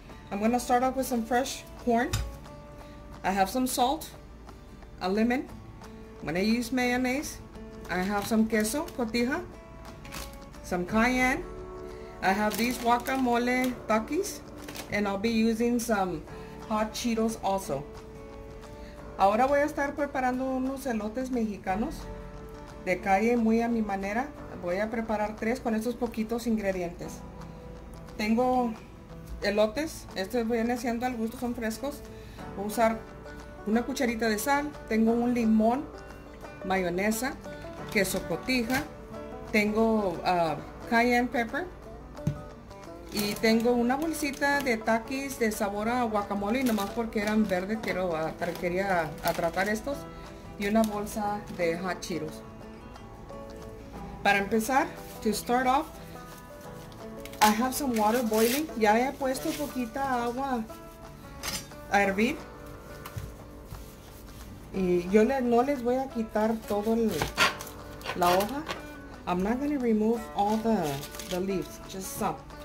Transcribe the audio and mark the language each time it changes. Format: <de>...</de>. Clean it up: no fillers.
<en>I'm going to start off with some fresh corn. I have some salt, a lemon. I'm going to use mayonnaise. I have some queso, cotija, some cayenne. I have these guacamole takis, and I'll be using some hot Cheetos also.</en> <es>Ahora voy a estar preparando unos elotes mexicanos de calle muy a mi manera. Voy a preparar tres con estos poquitos ingredientes. Tengo elotes, estos vienen siendo al gusto, son frescos. Voy a usar una cucharita de sal, tengo un limón, mayonesa, queso cotija, tengo cayenne pepper y tengo una bolsita de takis de sabor a guacamole, nomás porque eran verdes, quería tratar estos, y una bolsa de hot Cheetos. Para empezar,</es> <en>to start off, I have some water boiling.</en> <es>Ya he puesto poquita agua a hervir. Y yo no les voy a quitar todo la hoja.</es> <en>I'm not going to remove all the leaves, just some.</en>